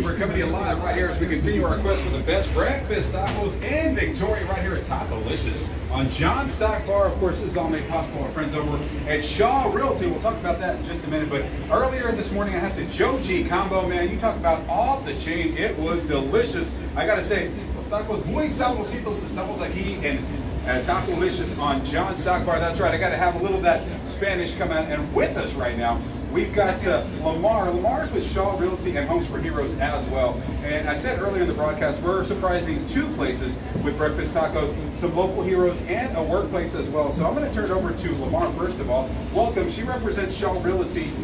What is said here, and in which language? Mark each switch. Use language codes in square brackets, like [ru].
[en] We're coming to you live right here as we continue our quest for the best breakfast tacos in Victoria right here at Tacolicious on John Stock Bar. Of course, this is all made possible by our friends over at Shaw Realty. We'll talk about that in just a minute. But earlier this morning, I had the Joji combo, man. You talk about off the chain. It was delicious. I got to say, [es] los tacos muy sabrositos, estamos aquí en Tacolicious on John Stock Bar. [en] That's right. I got to have a little of that Spanish come out. And with us right now, we've got Lamar. Lamar's with Shaw Realty and Homes for Heroes as well. And I said earlier in the broadcast, we're surprising two places with breakfast tacos, some local heroes, and a workplace as well. So I'm going to turn it over to Lamar first of all. Welcome. She represents Shaw Realty.